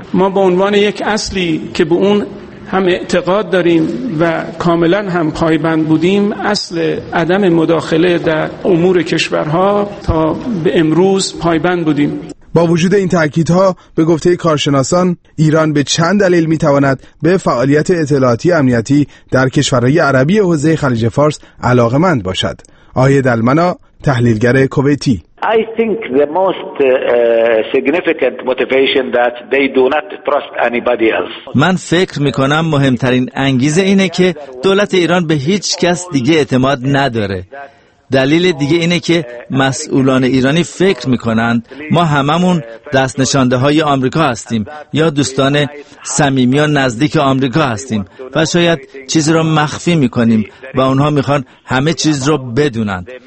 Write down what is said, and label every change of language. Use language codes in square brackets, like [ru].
[fa] ما به عنوان یک اصلی که به اون هم اعتقاد داریم و کاملا هم پایبند بودیم، اصل عدم مداخله در امور کشورها تا به امروز پایبند بودیم. با وجود این تأکیدها، به گفته کارشناسان، ایران به چند دلیل میتواند به فعالیت اطلاعاتی امنیتی در کشورهای عربی حوزه خلیج فارس علاقمند باشد. آیه دلمنا، تحلیلگر کویتی: [en] I think the most significant motivation that they do not trust anybody else. [fa] من فکر میکنم مهمترین انگیزه اینه که دولت ایران به هیچ کس دیگه اعتماد نداره. دلیل دیگه اینه که مسئولان ایرانی فکر میکنند ما هممون دست نشانده های آمریکا هستیم یا دوستان صمیمی و نزدیک آمریکا هستیم و شاید چیزی رو مخفی میکنیم و اونها میخوان همه چیز رو بدونن.